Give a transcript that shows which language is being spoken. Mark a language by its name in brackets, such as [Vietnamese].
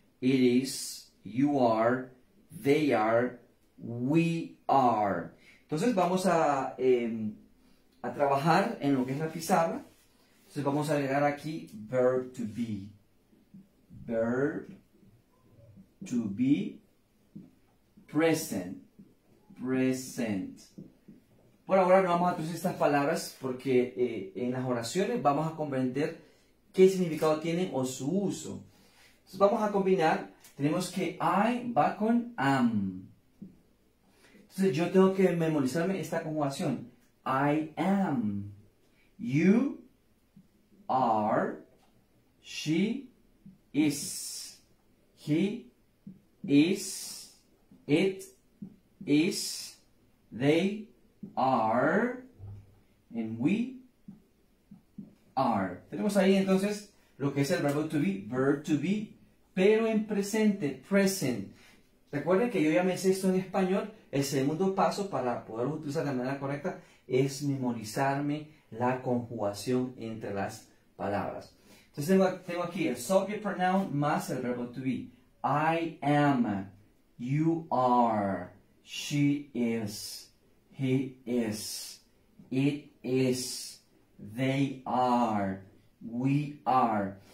[English] It is, you are, they are, we are. [Spanish] Entonces vamos a trabajar en lo que es la pizarra. Entonces vamos a agregar aquí [English] verb to be. Verb to be present. Present. [Spanish] Por ahora no vamos a utilizar estas palabras porque en las oraciones vamos a comprender qué significado tiene o su uso. Entonces vamos a combinar, tenemos que I va con am. Entonces yo tengo que memorizarme esta conjugación. [English] I am, you are, she is, he is, it is, they are, and we are. [Spanish] Tenemos ahí entonces lo que es el verbo to be, verb to be. Pero en presente, present. Recuerden que yo ya me sé esto en español. El segundo paso para poder utilizar de manera correcta es memorizarme la conjugación entre las palabras. Entonces tengo aquí el subject pronoun más el verbo to be. [English] I am, you are, she is, he is, it is, they are, we are.